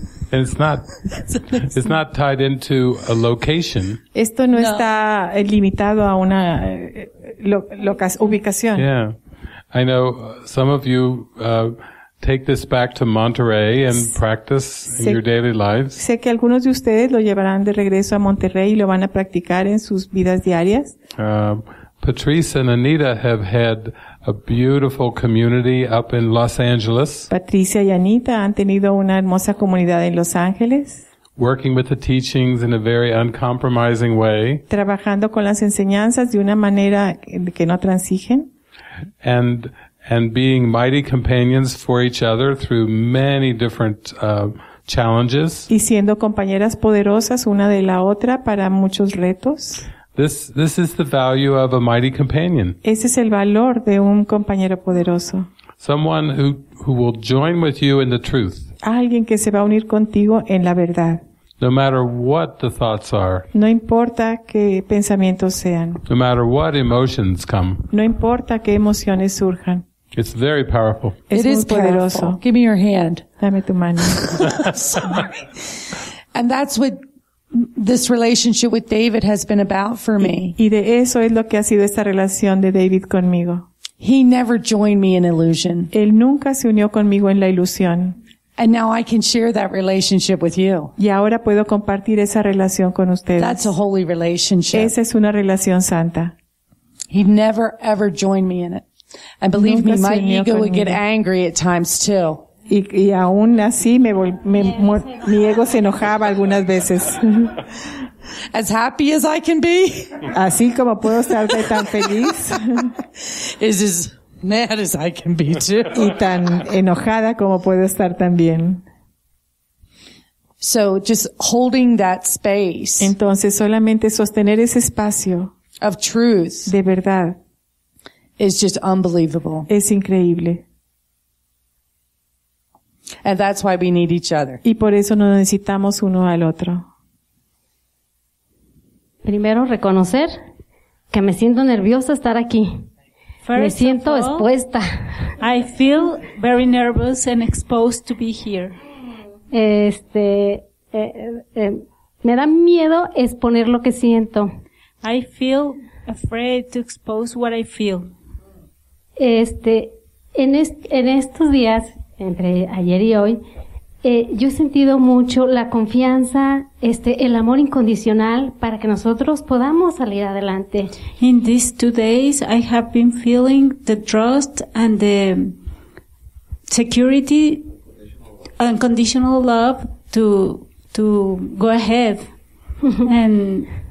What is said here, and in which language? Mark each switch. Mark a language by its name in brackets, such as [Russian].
[English] And it's not tied into a location. [Spanish] Esto no, no. Está limitado a una ubicación. [English] Yeah. I know some of you take this back to Monterrey and practice in your daily lives. [Spanish] Sé que algunos de ustedes lo llevarán de regreso a Monterrey y lo van a practicar en sus vidas diarias. [English] Patrice and Anita have had a beautiful community up in Los Angeles. [Spanish] Patricia y Anita han tenido una hermosa comunidad en Los Ángeles. [English] Working with the teachings in a very uncompromising way. [Spanish] Trabajando con las enseñanzas de una manera que no transigen. [English] And being mighty companions for each other through many different challenges. [Spanish] Y siendo compañeras poderosas una de la otra para muchos retos. [English] This is the value of a mighty companion. [Spanish] Ese es el valor de un compañero poderoso. [English] Someone who will join with you in the truth. [Spanish] Alguien que se va a unir contigo en la verdad. [English] No matter what the thoughts are. [Spanish] No importa qué pensamientos sean. [English] No matter what emotions come. [Spanish] No importa qué emociones surjan. [English] It's very powerful. It is poderoso. Give me your hand. [Spanish] Dame tu mano. [English] Sorry. And that's what this relationship with David has been about for me. [Spanish] Y de eso es lo que ha sido esta relación de David conmigo. [English] He never joined me in illusion. [Spanish] Él nunca se unió conmigo en la ilusión. [English] And now I can share that relationship with you. [Spanish] Y ahora puedo compartir esa relación con ustedes. [English] That's a holy relationship. [Spanish] Esa es una relación santa. [English] He never ever joined me in it. And believe [Spanish] nunca [English] me, my ego [Spanish] conmigo. [English] Would get angry at times too. [Spanish] Y aún así mi ego se enojaba algunas veces. [English] As happy as I can be. [Spanish] Así como puedo estar de tan feliz. [English] Is as mad as I can be too. [Spanish] Y tan enojada como puedo estar también. [English] So just holding that space. [Spanish] Entonces solamente sostener ese espacio. [English] Of truth. [Spanish] De verdad. [English] Is just unbelievable. [Spanish] Es increíble. [English] And that's why we need each other. [Spanish] Y por eso nos necesitamos uno al otro. Primero, reconocer que me siento nerviosa estar aquí. [English] First [Spanish] me siento [English] all, [Spanish] expuesta. [English] I feel very nervous and exposed to be here. [Spanish] Me da miedo exponer lo que siento. [English] I feel afraid to expose what I feel. [Spanish] En estos días, entre ayer y hoy, Yo he sentido mucho la confianza, el amor incondicional para que nosotros podamos salir adelante. [English] In these 2 days, I have been feeling the trust and the security, unconditional love to go ahead and